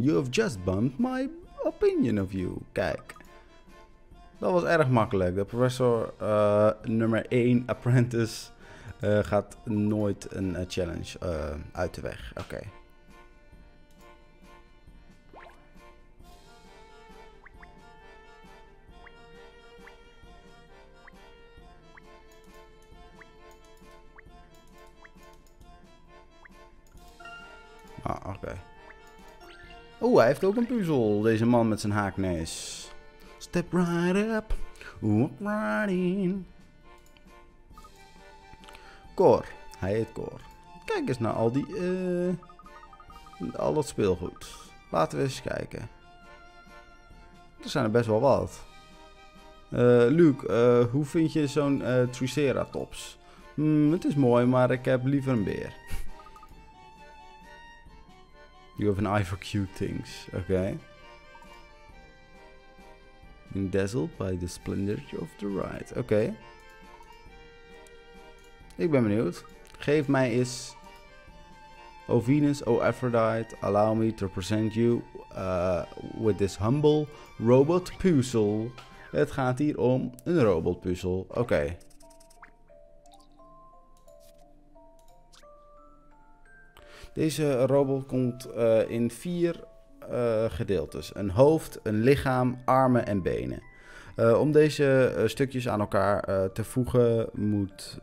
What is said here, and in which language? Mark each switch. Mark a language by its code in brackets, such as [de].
[en] You have just bumped my opinion of you. [nl] Kijk. Dat was erg makkelijk. De professor nummer 1 apprentice gaat nooit een challenge uit de weg. Oké. Okay. Ah, oké. Okay. Oeh, hij heeft ook een puzzel, deze man met zijn haaknees. [en] Step right up, walk right in. [nl] Cor, hij heet Cor. Kijk eens naar al die, al dat speelgoed. Laten we eens kijken. Er zijn er best wel wat. Luke, hoe vind je zo'n Triceratops? Het is mooi, maar ik heb liever een beer. [en] You have an eye for cute things, okay? Been dazzled by the splendor of the ride, okay? [nl] Ik ben benieuwd. Geef mij eens... [en] O Venus, O Aphrodite, allow me to present you with this humble robot puzzle. [nl] Het gaat hier om een robot puzzle, okay. Deze robot komt in 4 gedeeltes. Een hoofd, een lichaam, armen en benen. Om deze stukjes aan elkaar te voegen moet...